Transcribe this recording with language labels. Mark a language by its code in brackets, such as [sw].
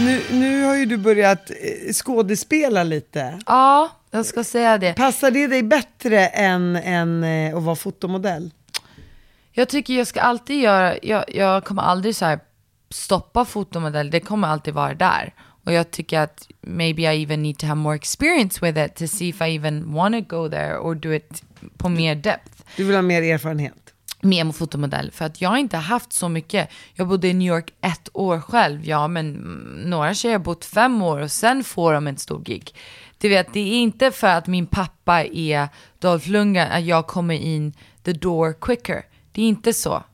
[sv] Nu har ju du börjat skådespela lite. Ja. Jag ska säga det. Passar det dig bättre än att vara fotomodell? Jag tycker jag ska alltid göra... Jag kommer aldrig så här stoppa fotomodell. Det kommer alltid vara där. Och jag tycker att [en] maybe I even need to have more experience with it to see if I even want to go there or do it [sv] på mer [en] depth. [sv] Du vill ha mer erfarenhet? Mer fotomodell. För att jag har inte haft så mycket. Jag bodde i New York ett år själv. Ja, men några tjejer har bott 5 år och sen får de en stor gig. Du vet, det är inte för att min pappa är Dolph Lundgren att jag kommer [en] in the door quicker. [sv] Det är inte så.